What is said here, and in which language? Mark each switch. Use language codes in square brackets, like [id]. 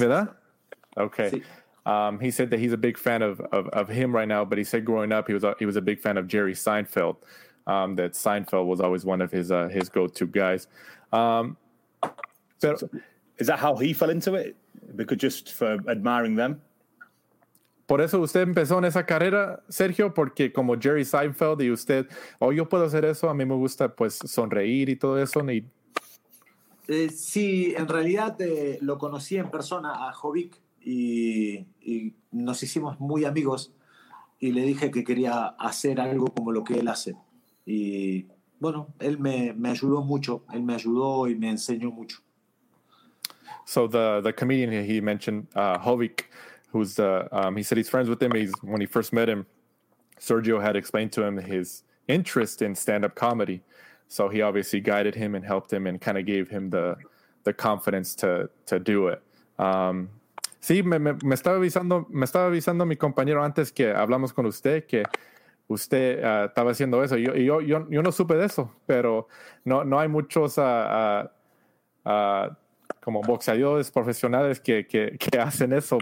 [en] ¿Verdad? Okay. Sí. He said that he's a big fan of him right now, but he said growing up he was a big fan of Jerry Seinfeld. That Seinfeld was always one of his go-to guys. So is that how he fell into it? Because just for admiring them. [es] Por eso usted empezó en esa carrera, Sergio, porque como Jerry Seinfeld y usted, yo puedo hacer eso. A mí me gusta pues sonreír y todo eso. Sí, en realidad lo conocí en persona a Jovik. Y nos hicimos muy amigos y le dije que quería hacer algo como lo que él hace. Y bueno, él me ayudó mucho, él me ayudó y me enseñó mucho. [en] So the comedian he mentioned, Jovik, who's he said he's friends with him. He's, when he first met him, Sergio had explained to him his interest in stand-up comedy. So he obviously guided him and helped him and kind of gave him the confidence to do it. [es] Sí, me estaba avisando mi compañero antes que hablamos con usted que usted estaba haciendo eso. Yo no supe de eso, pero no hay muchos como boxeadores profesionales que hacen eso.